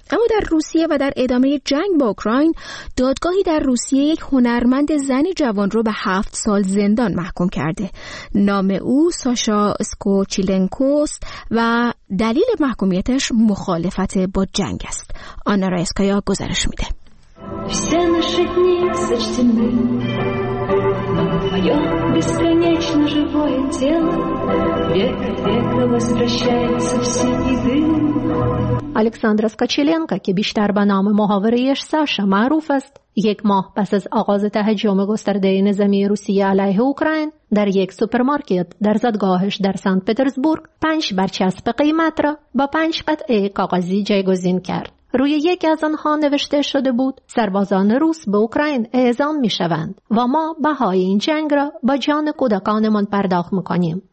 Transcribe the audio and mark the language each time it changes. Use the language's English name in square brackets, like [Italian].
[Persian] اما در روسیه و در ادامه جنگ با اوکراین، دادگاهی در روسیه یک هنرمند زن جوان رو به 7 سال زندان محکوم کرده. نام او ساشا اسکوچیلنکوست و دلیل محکومیتش مخالفت با جنگ است. آنا رایسکایا گزارش میده. [Russian] Мое бесконечно живое тело век века возвращается в синий дым. [Tajik] Александра Скочеленко, ки бештар ба наме моҳовариш Саша маъруф аст. [Persian] یک ماه پس از آغاز تهاجم گسترده نظامی روسیه علیه اوکراین، در یک سوپرمارکت در زادگاهش در سن پترزبورگ 5 برچسب قیمت را با 5 قطعه کاغذی جایگزین کرد. روی یکی از آنها نوشته شده بود: سربازان روس به اوکراین اعزام می شوند و ما بهای این جنگ را با جان کودکانمان پرداخت میکنیم.